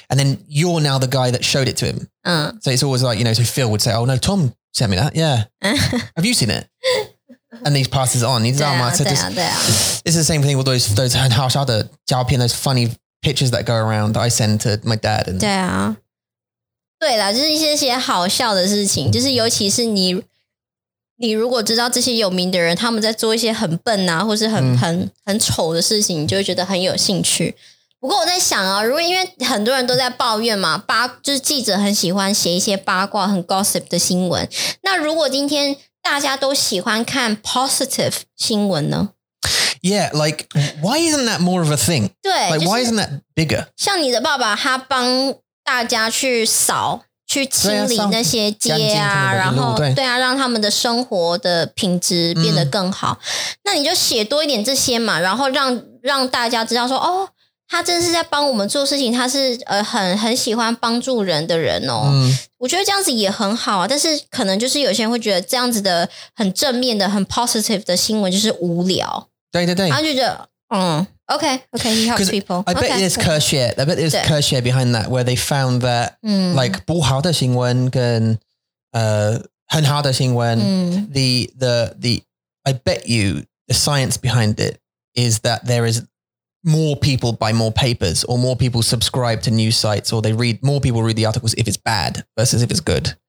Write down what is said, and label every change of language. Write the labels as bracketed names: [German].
[English] And then you're now the guy that showed it to him.、So it's always like, you know, so Phil would say, oh no, Tom sent me that. Yeah. Have you seen it? And he passes it on. He's like, yeah, yeah. This is the same thing with those and how other 照片, those funnyPictures that go around that I send to my dad. And [Chinese] 对啊，对啦，就是一些好笑的事情，就是尤其是你如果知道这些有名的人他们在做一些很笨啊，或是很丑的事情，你就会觉得很有兴趣。不过我在想啊，如果因为很多人都在抱怨嘛，就是记者很喜欢写一些八卦、很 gossip 的新闻。那如果今天大家都喜欢看 positive 新闻呢？ [English] Yeah, like, why isn't that more of a thing? [Chinese] 对 [English] like, why isn't that bigger? [Chinese] 像你的爸爸他帮大家去扫去清理那些街啊然后对啊让他们的生活的品质变得更好、嗯、那你就写多一点这些嘛然后让大家知道说哦他真的是在帮我们做事情他是很喜欢帮助人的人哦、嗯、我觉得这样子也很好啊但是可能就是有些人会觉得这样子的很正面的很 positive 的新闻就是无聊对对对，然后就觉得， [English] 嗯 ，OK OK， he helps people. I bet okay, there's curse here. I bet there's curse here behind that, where they found that, like [Chinese] 不好的新闻跟很好的新闻、嗯、 [English] the I bet you the science behind it is that there is more people buy more papers or more people subscribe to news sites or they read more people read the articles if it's bad versus if it's good、